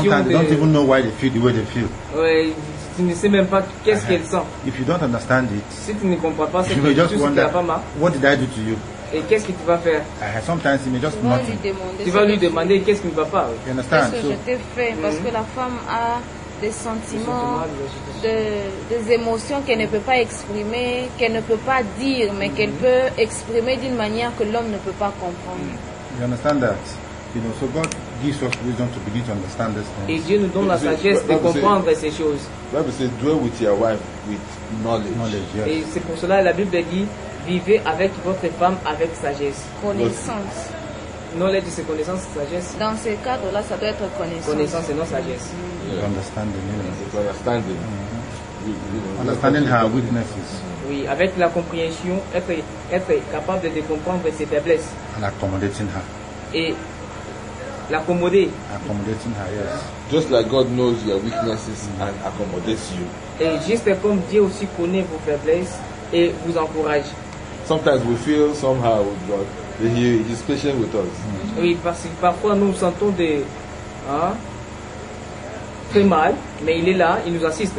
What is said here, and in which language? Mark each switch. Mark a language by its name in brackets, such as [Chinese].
[English] Sometimes they don't even know why they feel the way they feel. [French] Tu ne sais même pas qu'est-ce qu'elle sent. [English] If you don't understand it, [French] si tu ne comprends pas, c'est juste ce que la femme a. [English] What did I do to you? [French] Et qu'est-ce que tu vas faire? [English] Sometimes it may just nothing. [French] Tu vas lui demander qu'est-ce qui ne va pas. [English] You understand? [French] Qu'est-ce que je t'ai fait? Mm-hmm. Parce que la femme a des sentiments, des émotions qu'elle ne peut pas exprimer, qu'elle ne peut pas dire, mais mm-hmm. qu'elle peut exprimer d'une manière que l'homme ne peut pas comprendre. [English] Mm. You understand that? You know, so God gives us wisdom to begin to understand this thing. [French] Et Dieu nous donne la sagesse de comprendre ces choses. [English] The Bible says, dwell with your wife with knowledge. Knowledge, yes. [French] Et c'est pour cela que la Bible dit, vivez avec votre femme avec sagesse. Connaissance. Knowledge, c'est connaissance, sagesse. Dans ce cadre-là, ça doit être connaissance. Connaissance et non sagesse. [English] Mm-hmm. Yeah. Understanding. Yeah. Understanding. Mm-hmm. Understanding her weaknesses. [French] Oui, avec la compréhension, être capable de comprendre ses faiblesses. [English] And accommodating her. [French] Et l'accommoder. [English] Accommodating her, yes. Just like God knows your weaknesses and accommodates you. [French] Et juste comme Dieu aussi connaît vos faiblesses et vous encourage. [English] Sometimes we feel somehow with God that He is patient with us. Mm-hmm. [French] Oui, parce que parfois nous sentons des très mal, mais il est là, il nous assiste.